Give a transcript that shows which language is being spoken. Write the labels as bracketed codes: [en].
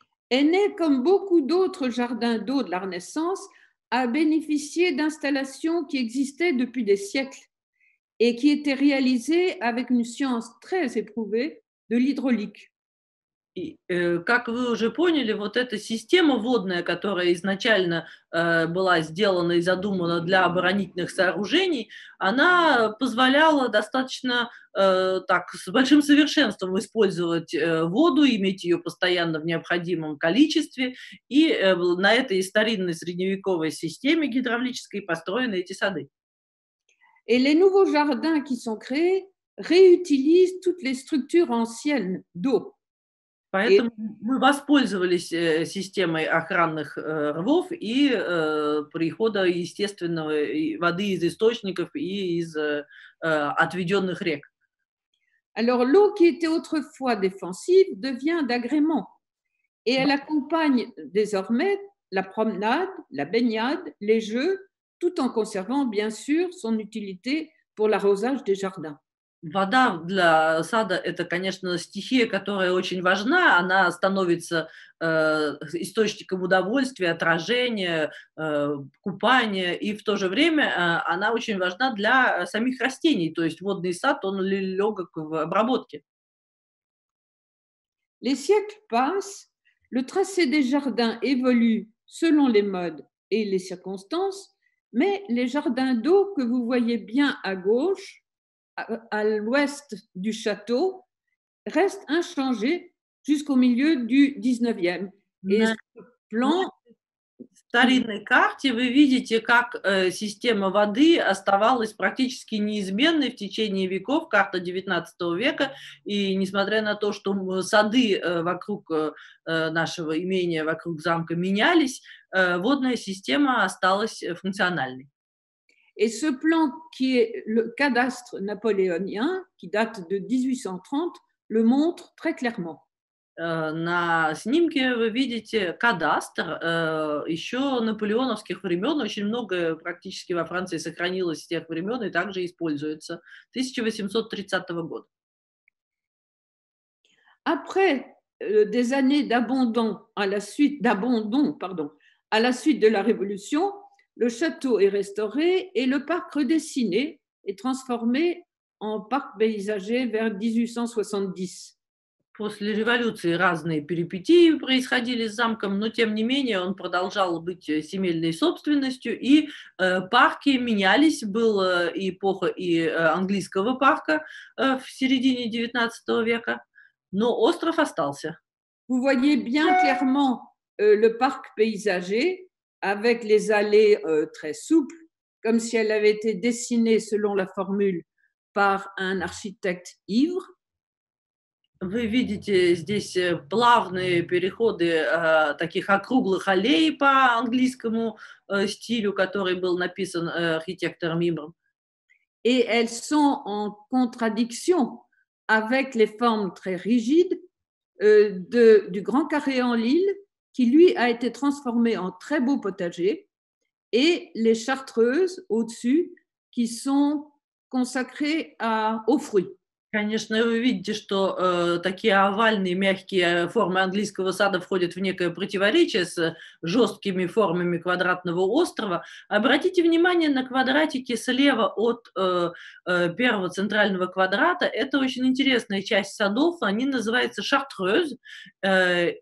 [fr] Эне, comme beaucoup d'autres jardins d'eau de la Renaissance, a bénéficié d'installations qui existaient depuis des siècles. Et qui était réalisé avec une science très éprouvée de l'hydraulique. [ru] И, как вы уже поняли, вот эта система водная, которая изначально была сделана и задумана для оборонительных сооружений, она позволяла достаточно так с большим совершенством использовать воду, иметь ее постоянно в необходимом количестве, и на этой старинной средневековой системе гидравлической построены эти сады. [fr] Et les nouveaux jardins qui sont créés réutilisent toutes les structures anciennes d'eau. [ru] Поэтому мы воспользовались системой охранных рвов и прихода естественного воды из источников и из отведенных рек. [fr] Alors l'eau qui était autrefois défensive devient d'agrément et elle accompagne désormais la promenade, la baignade, les jeux. Tout en conservant, bien sûr, son utilité pour l'arrosage des jardins. [ru] Вода для сада – это, конечно, стихия, которая очень важна. Она становится источником удовольствия, отражения, купания. И в то же время она очень важна для самих растений. То есть водный сад, он легок в обработке. [fr] Les siècles passent, le tracé des jardins évolue selon les modes et les circonstances. Mais les jardins d'eau que vous voyez bien à gauche, à l'ouest du château, restent inchangés jusqu'au milieu du 19e. Et ce plan... [ru] В старинной карте вы видите, как система воды оставалась практически неизменной в течение веков, карта 19 века, и несмотря на то, что сады вокруг нашего имения, вокруг замка менялись, водная система осталась функциональной. [fr] Et ce plan qui est le cadastre napoléonien, qui date de 1830, le montre très clairement. [ru] На снимке вы видите кадастр еще наполеоновских времен. Очень многое практически во Франции сохранилось с тех времен и также используется 1830 года. [fr] Après des années d'abandon à la suite à la suite de la Révolution, le château est restauré et le parc redessiné et transformé en parc paysager vers 1870. [ru] После революции разные перипетии происходили с замком, но тем не менее он продолжал быть семейной собственностью, и парки менялись, была эпоха и английского парка в середине 19 века, но остров остался. [fr] Vous voyez bien clairement le parc paysager avec les allées très souples, comme si elle avait été dessinée selon la formule par un architecte ivre. [ru] Вы видите здесь плавные переходы таких округлых аллей по английскому стилю, который был написан архитектором Имбром. [fr] Et elles sont en contradiction avec les formes très rigides du grand carré en Lille, qui lui a été transformé en très beau potager, et les chartreuses au-dessus, qui sont consacrées aux fruits. [ru] Конечно, вы видите, что такие овальные, мягкие формы английского сада входят в некое противоречие с жесткими формами квадратного острова. Обратите внимание на квадратики слева от первого центрального квадрата. Это очень интересная часть садов. Они называются Chartreuse.